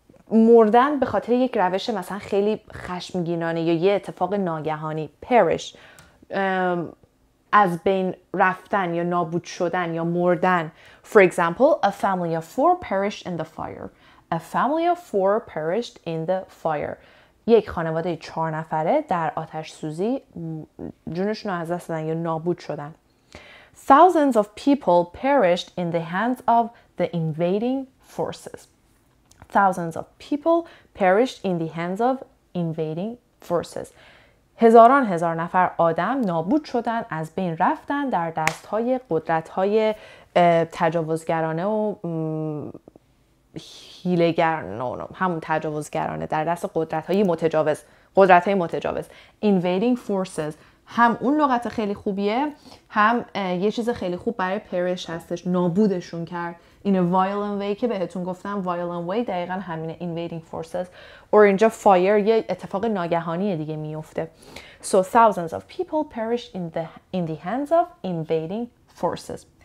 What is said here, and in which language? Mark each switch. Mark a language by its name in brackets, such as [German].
[Persian] مردن به خاطر یک روش مثلا خیلی خشمگینانه یا یه اتفاق ناگهانی. پرش از بین رفتن یا نابود شدن یا مردن. [English] For example, a family of four perished in the fire. A family of four perished in the fire. [Persian] یک خانواده 4 نفره در آتش سوزی جونشون رو از دست دادن یا نابود شدن. [English] Thousands of people perished in the hands of the invading forces. Thousands of people perished in the hands of invading forces. [Persian] هزاران هزار نفر آدم نابود شدن، از بین رفتن در دست‌های قدرت‌های تجاوزگرانه و هیلگرانه، همون تجاوزگرانه، در دست قدرت‌های متجاوز، قدرت‌های متجاوز. Invading forces هم اون لغت خیلی خوبیه، هم یه چیز خیلی خوب برای پرش هستش، نابودشون کرد. [English] In a violent way [Persian] که بهتون گفتم، [English] violent way [Persian] دقیقا همینه، [English] invading forces. [Persian] Or اینجا fire یه اتفاق ناگهانی دیگه میفته. [English] So thousands of people perished in the hands of invading forces.